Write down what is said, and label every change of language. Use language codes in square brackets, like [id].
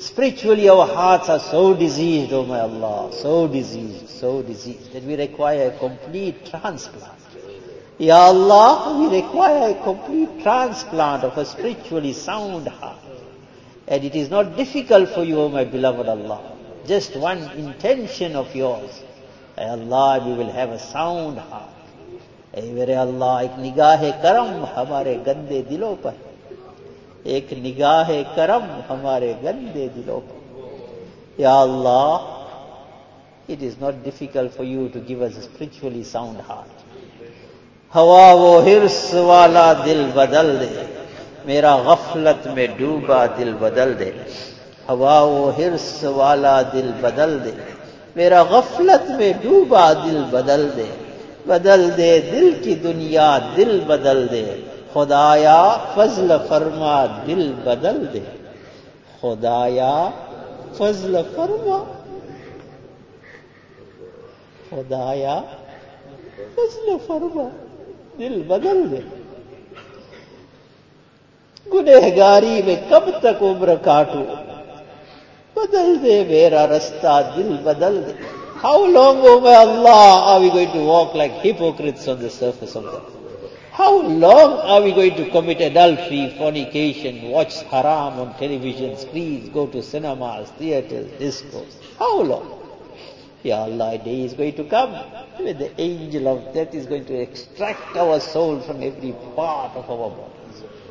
[en] Spiritually our hearts are so diseased, oh my Allah, so diseased, that we require a complete transplant. Ya Allah, we require a complete transplant of a spiritually sound heart. And it is not difficult for you, oh my beloved Allah, just one intention of yours. Ya Allah, we will have a sound heart. [ur] اے میرے اللہ ایک نگاہ کرم ہمارے گندے دلوں پر, ایک نگاہ کرم ہمارے گندے دلوں پر. [en] یا اللہ it is not difficult for you to give us a spiritually sound heart. [ur] ہوا وہ ہرس والا دل بدل دے, میرا غفلت میں ڈوبا دل بدل دے. ہوا وہ ہرس والا دل بدل دے, میرا غفلت میں ڈوبا دل بدل دے. بدل دے دل کی دنیا دل بدل دے, خدایا فضل فرما دل بدل دے. خدایا فضل فرما, خدایا فضل فرما دل بدل دے. گنہگاری میں کب تک عمر کاٹوں, بدل دے میرا رستہ دل بدل دے. [en] How long, O my Allah, are we going to walk like hypocrites on the surface of the earth? How long are we going to commit adultery, fornication, watch haram on television screens, go to cinemas, theaters, discos? How long? Ya Allah, a day is going to come when the angel of death is going to extract our soul from every part of our bodies.